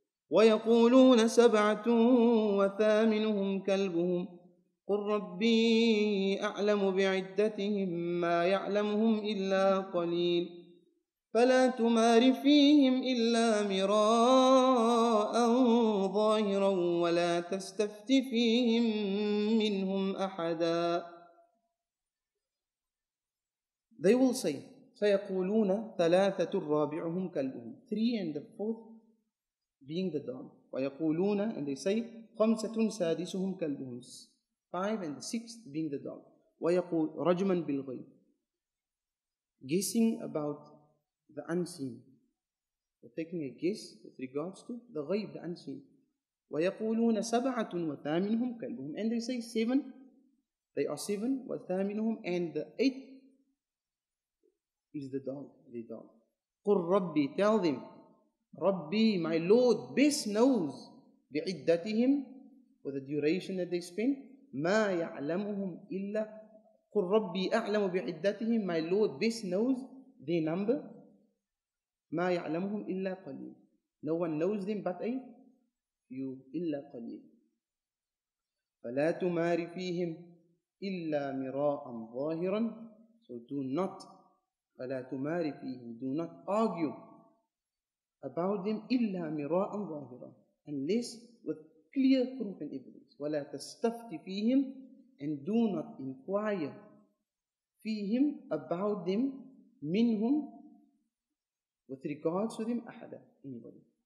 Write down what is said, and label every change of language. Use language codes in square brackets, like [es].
[ar] ويقولون سبعة وثامنهم كلبهم قل ربي أعلم بعدتهم ما يعلمهم إلا قليل فلا تمار فيهم إلا مراء ظاهرا ولا تستفت فيهم منهم أحدا. [en] They will say, [ar] سيقولون ثلاثة رابعهم كلبهم. [en] Three and the fourth being the dog. [ar] ويقولون, [en] and they say, [ar] خمسة سادسهم كلبهم. [en] Five and the sixth being the dog. [ar] ويقول رجما بالغيب. [en] Guessing about the unseen. They're taking a guess with regards to the ghaib, the unseen. [ar] وَيَقُولُونَ سَبْعَةٌ وَثَامِنُهُمْ كَلْبُهُمْ. [en] And they say seven. They are seven. [ar] وَثَامِنُهُمْ. [en] And the eighth is the dog. [ar] قُلْ رَبِّي. [en] Tell them, [ar] رَبِّي, [en] my Lord, best knows [ar] بِعِدَّتِهِمْ, [en] for the duration that they spend, [ar] مَا يَعْلَمُهُمْ إِلَّا, قُلْ رَبِّي أَعْلَمُ بِعِدَّتِهِمْ [en] My Lord, this knows their number. [ar] مَا يَعْلَمُهُمْ إِلَّا قَلِيلٌ [en] No one knows them but a few. [ar] إِلَّا قَلِيلٌ فَلَا تُمَارِ فِيهِمْ إِلَّا مِرَاءً ظَاهِرًا [en] So do not. [ar] فَلَا تُمَارِ فِيهِمْ [en] Do not argue about them [ar] إِلَّا مِرَاءً ظَاهِرًا [en] Unless with clear proof and evidence. وَلَا تَسْتَفْتِ فِيهِمْ And do not inquire [ar] فيهم [en] about them [ar] منهم [en] with regards to them [ar] أحدا [en] anybody.